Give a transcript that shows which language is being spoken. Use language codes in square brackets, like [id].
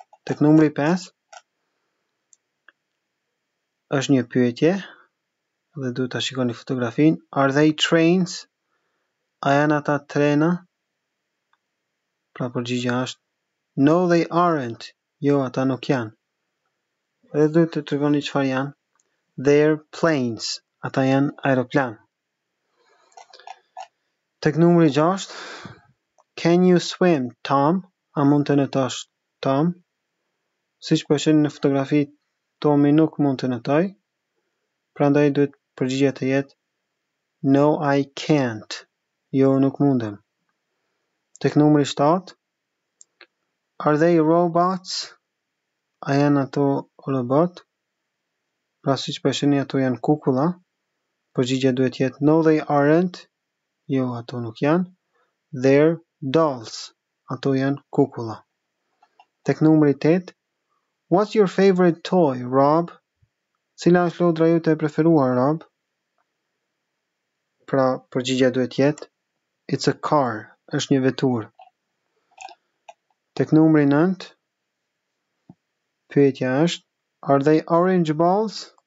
[sq] Tek numri 5, është një pyetje, dhe du të shikoni fotografin, [en] are they trains? [sq] A janë ata trena? Pra përgjigja është, [en] no they aren't, [sq] jo ata nuk janë. Dhe du të tregoni çfarë janë, [en] they're planes. [sq] Ata janë aeroplan. Tek numri 6, [en] can you swim, Tom? [sq] A mund të netosh, Tom? Siç po shihni në fotografi, Tomi nuk mund të netoj. Prandaj duhet përgjigja të jetë [en] no, I can't. [sq] Jo, nuk mundem. Tek numri 7, [en] are they robots? [sq] A janë ato robot? Pra siç po shihni ato janë kukulla. Përgjigja duhet jetë [en] no, they aren't. [sq] Jo, ato nuk janë. [en] They're dolls. [sq] Ato janë kukulla. Tek numri 8, [en] what's your favorite toy, Rob? [sq] Cila është lodra jote e preferuar, Rob? Pra, përgjigja duhet jetë [en] it's a car, [sq] është një vetur. Tek numri 9, pyetja është [en] are they orange balls?